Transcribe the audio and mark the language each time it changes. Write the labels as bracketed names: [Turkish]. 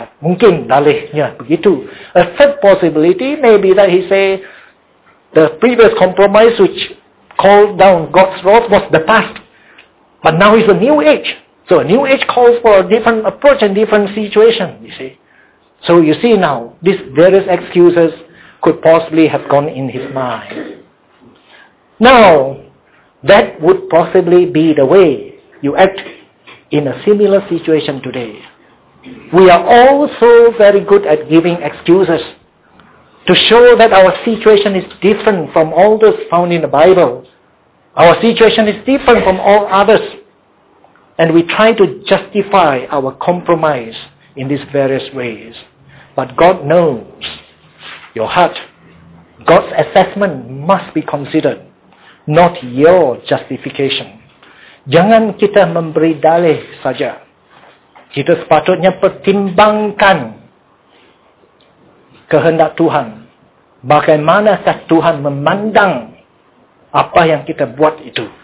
[Malay] Mungkin dalihnya begitu. [English] A third possibility may be that he say the previous compromise which called down God's wrath was the past. But now is a new age. So a new age calls for a different approach and different situation, you see. So you see now, these various excuses could possibly have gone in his mind. Now, that would possibly be the way you act in a similar situation today. We are all so very good at giving excuses to show that our situation is different from all those found in the Bible. Our situation is different from all others. And we try to justify our compromise in these various ways. But God knows your heart. God's assessment must be considered, not your justification. [Malay] Jangan kita memberi dalih saja. Kita sepatutnya pertimbangkan kehendak Tuhan. Bagaimanakah Tuhan memandang apa yang kita buat itu.